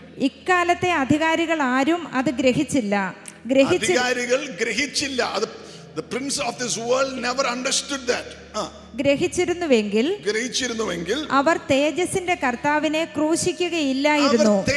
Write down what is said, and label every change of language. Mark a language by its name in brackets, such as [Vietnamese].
[Malayalam] ഇക്കാലത്തെ അധികാരികൾ ആരും അത് ഗ്രഹിച്ചില്ല. [English] The prince of this world never understood that. [Malayalam] ഗ്രഹിച്ചിരുന്നുവെങ്കിൽ അവർ തേജസ്സിന്റെ കർത്താവിനെ ക്രൂശിക്കുകയില്ലായിരുന്നു.